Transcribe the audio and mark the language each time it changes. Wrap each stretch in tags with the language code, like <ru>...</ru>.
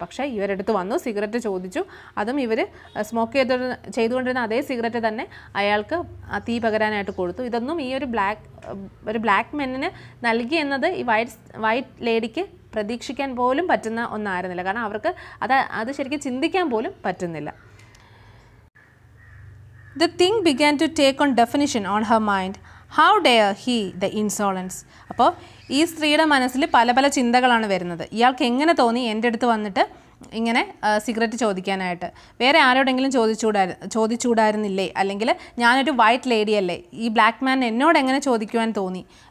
<ml>പക്ഷേ ഇവരടുത്ത് വന്നു, സിഗരറ്റ് ചോദിച്ചു. അതും ഇവർ സ്മോക്ക് ചെയ്തുകൊണ്ടിരുന്ന അതേ സിഗരറ്റ് തന്നെ അയാൾക്ക് തീ പകരാനായിട്ട് കൊടുത്തു. ഇതൊന്നും ഈ ഒരു ബ്ലാക്ക് മെന്നിന് നൽകി എന്നത് ഈ വൈറ്റ് ലേഡിക്ക് പ്രതീക്ഷിക്കാൻ പോലും പറ്റുന്ന ഒന്നായിരുന്നില്ല. കാരണം അവർക്ക് അത് ശരിക്കും ചിന്തിക്കാൻ പോലും പറ്റുന്നില്ല.</ml> <en>The thing began to take on definition on her mind. How dare he, the insolence?</en> <ml>അപ്പോൾ ഈ സ്ത്രീയുടെ മനസ്സിൽ പല പല ചിന്തകളാണ് വരുന്നത്. ഇയാൾക്ക് എങ്ങനെ തോന്നി എൻ്റെ അടുത്ത് വന്നിട്ട് ഇങ്ങനെ സിഗരറ്റ് ചോദിക്കാനായിട്ട്? വേറെ ആരോടെങ്കിലും ചോദിച്ചുകൂടായിരുന്നില്ലേ? അല്ലെങ്കിൽ ഞാനൊരു വൈറ്റ് ലേഡി അല്ലേ, ഈ ബ്ലാക്ക് മാൻ എന്നോട് എങ്ങനെ ചോദിക്കുവാൻ തോന്നി?</ml>